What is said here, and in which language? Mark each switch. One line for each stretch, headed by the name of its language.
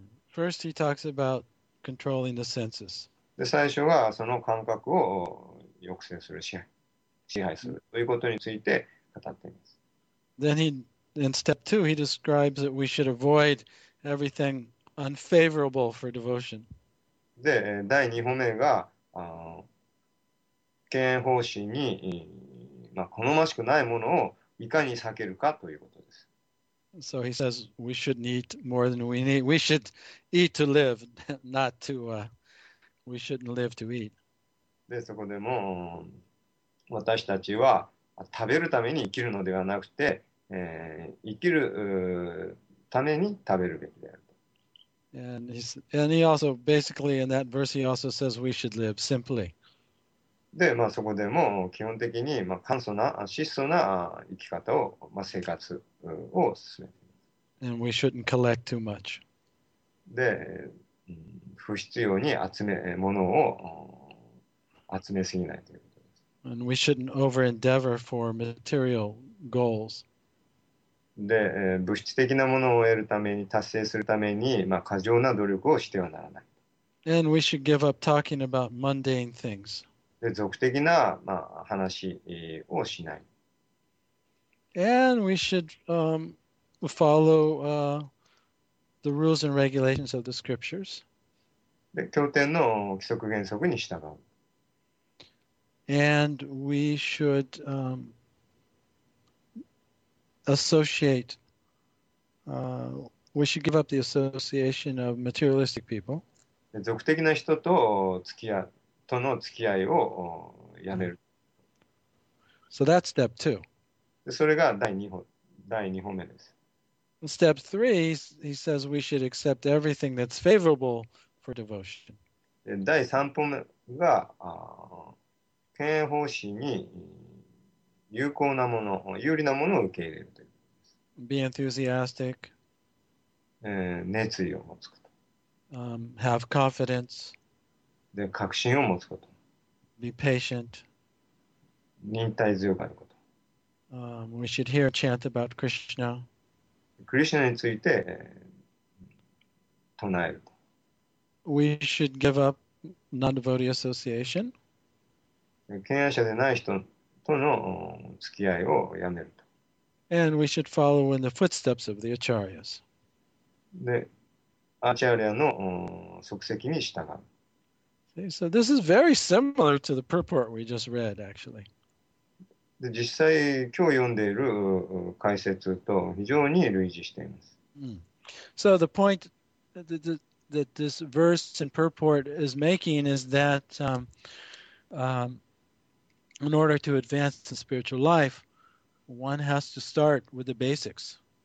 English: First, he talks aboutcontrolling the senses.
Japanese: で最初はその感覚を抑制する支配するということについて語っています。
English: Then in step two, he describes that we should avoid everything unfavorable for devotion.
Japanese: で第二歩目が敬遠方針に、まあ、好ましくないものをいかに避けるかということです。
English: So he says we shouldn't eat more than we need. We should eat to live, not to. We shouldn't live to eat.
Japanese: で、そこでも私たちは食べるために生きるのではなくて、生きるために食べるべきであると。
English: And he also basically in that verse he also says we should live simply.
Japanese: で、まあそこでも基本的にまあ簡素な質素な生き方をまあ生活。
English: And we shouldn't collect too much.
Japanese: で、不必要に物を集めすぎないということです。
English: And we shouldn't over-endeavor for material goals.
Japanese: で、物質的なものを得るために、達成するために、まあ、過剰な努力をしてはならない。
English: And we should give up talking about mundane things.
Japanese: で、俗的な、まあ、話をしない。
English: And we should follow the rules and regulations of the scriptures.
Japanese: で、経典の規則原則に従う。
English: And we should associate, we should give up the association of materialistic people.
Japanese: 俗的な人と付き合う、との付き合いをやめる。
English: So that's step two.
Japanese: それが第2歩目です。
English: Step three, he says we should accept everything that's favorable for devotion.
Japanese: 第3歩目が、権威奉仕に有効なもの、有利なものを受け入れるということです。
English: Be enthusiastic.
Japanese: 熱意を持つこと。
English: Have confidence.
Japanese: で、確信を持つこと。
English: Be patient.
Japanese: 忍耐強くあること。
English: We should hear a chant about Krishna.
Japanese: クリシュナについて、唱えると。
English: We should give up non-devotee association.
Japanese: 権威者でない人との付き合いをやめると。
English: And we should follow in the footsteps of the acharyas.
Japanese: で、アーチャーリアの足跡に従う。
English: So this is very similar to the purport we just read, actually.
Japanese: で実際今日読んでいる解説と非常に類似しています。 Mm.
English: So the point that this verse in purport is making is that in order to advance in spiritual life, one has to start with the basics.